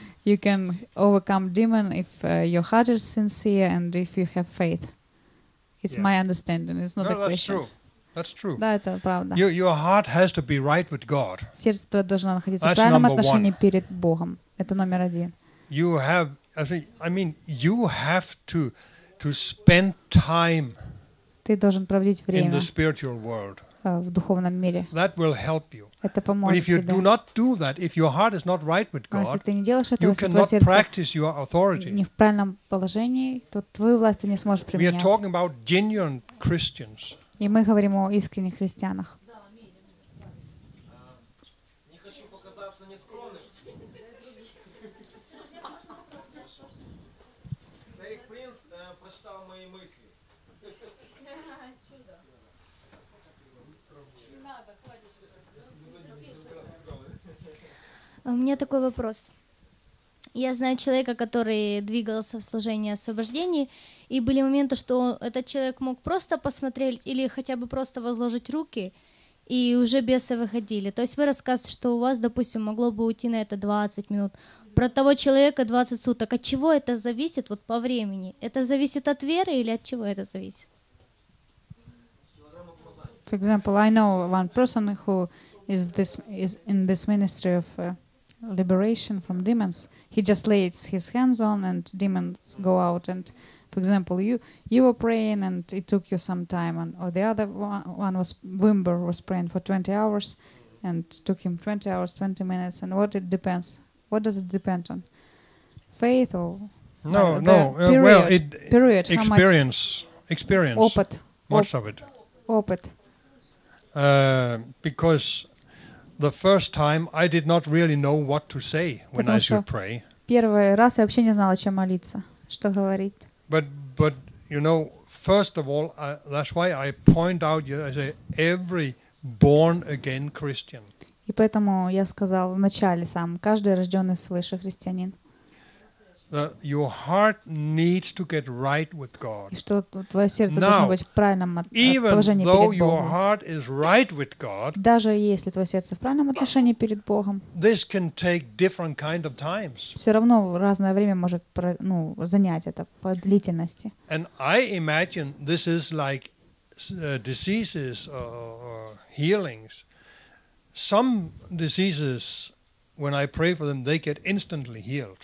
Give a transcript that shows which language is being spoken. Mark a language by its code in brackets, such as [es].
[en] You can overcome demon if your heart is sincere and if you have faith. It's my understanding. It's not a question. That's true. [ru] Да, это правда. [en] Your heart has to be right with God. [ru] Сердце твое должно находиться в правильном отношении перед Богом. Это номер один. [en] You have to spend time. [ru] Ты должен проводить время [en] in the spiritual world. [ru] В духовном мире. [en] That will help you. [ru] Это поможет тебе. [en] But if you [ru] тебе. [en] Do not do that, if your heart is not right with God, [ru] если ты не делаешь этого, [en] you cannot practice your authority. [ru] Не в правильном положении, то твою власть ты не сможешь применять. [en] We are talking about genuine Christians. [ru] И мы говорим о искренних христианах. Не хочу показаться нескромным. Эрик Принц прочитал мои мысли. У меня такой вопрос. Я знаю человека, который двигался в служении освобождения, и были моменты, что этот человек мог просто посмотреть или хотя бы просто возложить руки, и уже бесы выходили. То есть вы рассказываете, что у вас, допустим, могло бы уйти на это 20 минут. Про того человека 20 суток. От чего это зависит вот по времени? Это зависит от веры или от чего это зависит? [en] For example, I know one person who is in this ministry of liberation from demons. He just lays his hands on and demons go out. And for example, you were praying and it took you some time, and or the other one was Wimber was praying for 20 hours and took him 20 hours, 20 minutes. And what it depends? What does it depend on? Faith or no? Period. Experience. Opet. Much of it. Opet. Because the first time I did not really know what to say when I should pray. [ru] Первый раз я вообще не знала, чем молиться, что говорить. [en] But you know, first of all, that's why I point out, I say, every born again Christian. [ru] И поэтому я сказал в начале сам, каждый рожденный свыше христианин. [en] That your heart needs to get right with God. [ru] Что твое сердце должно быть в правильном положении перед Богом. [en] Even though your heart is right with God. [ru] Даже если твое сердце в правильном отношении перед Богом. [en] This can take different kind of times. [ru] Все равно разное время может занять это по длительности. [en] And I imagine this is like diseases or healings. Some diseases. When I pray for them, they get instantly healed.